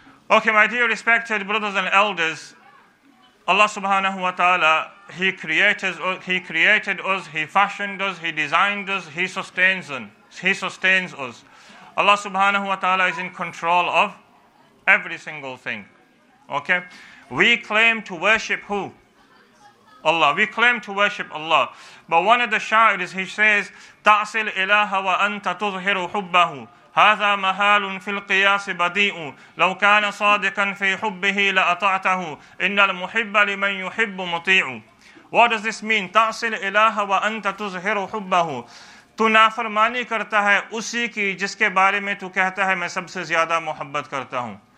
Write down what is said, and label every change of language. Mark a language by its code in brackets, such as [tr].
[en] Okay, my dear respected brothers and elders, Allah subhanahu wa ta'ala, He created us, He fashioned us, He designed us, He sustains us. Allah subhanahu wa ta'ala is in control of every single thing. Okay? We claim to worship who? Allah. We claim to worship Allah. But one of the sha'irs, he says, [ar] تَعْسِلْ إِلَهَ وَأَنْتَ تُظْهِرُ حُبَّهُ هَذَا مَحَالٌ فِي الْقِيَاسِ بَدِيءٌ لَوْ كَانَ صَادِقًا فِي حُبِّهِ لَأَطَعْتَهُ إِنَّ الْمُحِبَّ لِمَنْ يُحِبُّ مُطِيعُ. [en] What does this mean? [ar] تَعْسِلْ إِلَهَ وَأَنْتَ تُظْهِرُ حُبَّهُ. [ur] تُو نافرمانی کرتا ہے اسی کی جس کے بارے میں تُو کہتا ہے میں سب سے زیادہ محبت کرتا ہوں.